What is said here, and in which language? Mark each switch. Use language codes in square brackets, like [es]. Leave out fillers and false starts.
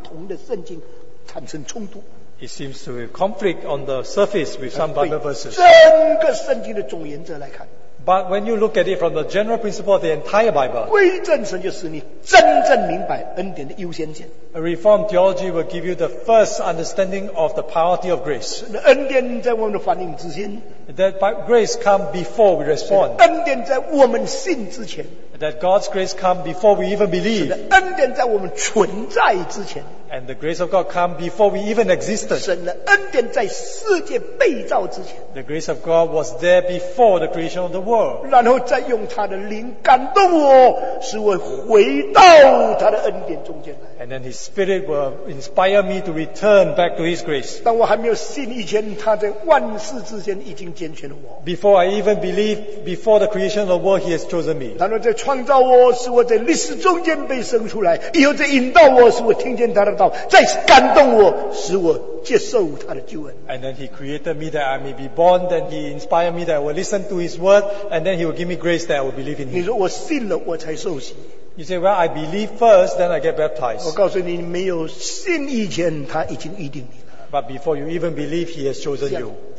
[zh] 它可以好像跟有现象相不同的圣经产生冲突。 [en] It seems to have conflict on the surface with some Bible verses. [zh] 整个圣经的总原则来看， [en] But when you look at it from the general principle of the entire Bible, [zh] 归正神就使你真正明白恩典的优先权。 [en] A Reformed theology will give you the first understanding of the priority of grace. [zh] 恩典在我们的反应之前， [en] That grace comes before we respond. [zh] 恩典在我们信之前， [en] That God's grace comes before we even believe. [zh] 恩典在我们存在之前， [en] And the grace of God came before we even existed. [zh] 神的恩典在世界被造之前, [en] the grace of God was there before the creation of the world. [zh] 然后再用他的灵感动我,使我回到他的恩典中间来。 [en] And then His Spirit will inspire me to return back to His grace. [zh] 当我还没有信以前,他在万事之间已经拣选了我。 [en] Before I even believe, before the creation of the world, He has chosen me. [zh] 然后再创造我,使我在历史中间被生出来。以后再引导我,使我听见他的道。再感动我,使我接受他的救恩。 [en] And then He created me that I may be born, then He inspired me that I will listen to His word, and then He will give me grace that I will believe in Him. [zh] 你说我信了,我才受洗。 [en] You say, well, I believe first, then I get baptized. [zh] 我告诉你,没有信以前,他已经预定你了。 [en] But before you even believe, He has chosen you.